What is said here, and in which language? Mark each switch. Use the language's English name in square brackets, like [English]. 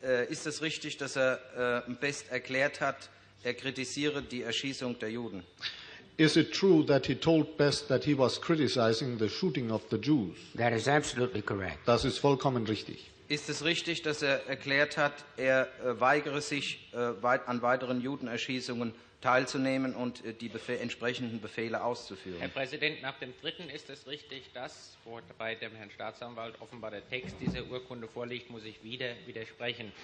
[German] Ist es richtig, dass er Best erklärt hat, er kritisiere die Erschießung der Juden? [English] Is it true that he told Best that he was criticizing the shooting of the Jews? That is absolutely correct. [German] Das ist vollkommen richtig. Ist es richtig, dass er erklärt hat, er weigere sich an weiteren Judenerschießungen teilzunehmen und die entsprechenden Befehle auszuführen? Herr Präsident, nach dem dritten ist es richtig, dass bei dem Herrn Staatsanwalt offenbar der Text dieser Urkunde vorliegt, muss ich wieder widersprechen.